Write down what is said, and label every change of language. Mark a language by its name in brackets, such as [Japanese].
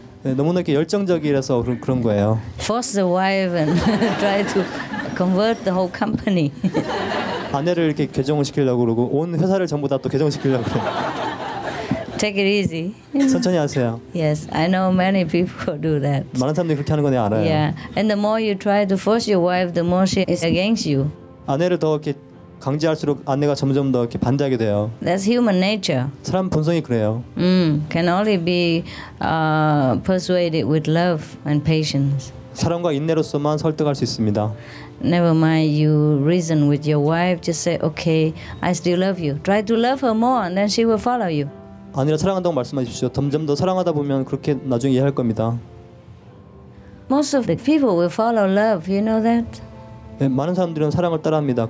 [Korean] 네, 너무나 열정적이라서 그런 거예요. [English] Force the wife and try to convert the whole company. [Korean] 아내를 이렇게 개종시키려고 그러고 온 회사를 전부 다 또 개종시키려고 그래요. [English] Take it easy. [Korean] 천천히 하세요. [English] Yes, I know many people do that. [Korean] 많은 사람들이 그렇게 하는 건 내가 알아요. [English] Yeah, and the more you try to force your wife, the more she is against you. [Korean] 아내를 더 이렇게 강제할수록 아내가 점점 더 이렇게 반대하게 돼요. [English] That's human nature. [Korean] 사람 본성이 그래요. [English] Can only be persuaded with love and patience. [Korean] 사랑과 인내로서만 설득할 수 있습니다. [English] Never mind, you reason with your wife. Just say, okay, I still love you. Try to love her more, and then she will follow you. [Korean] 아니라 사랑한다고 말씀하십시오. 점점 더 사랑하다 보면 그렇게 나중에 이해할 겁니다. [English] Most of the people will follow love. You know that? [Korean] 네, 많은 사람들은 사랑을 따라합니다.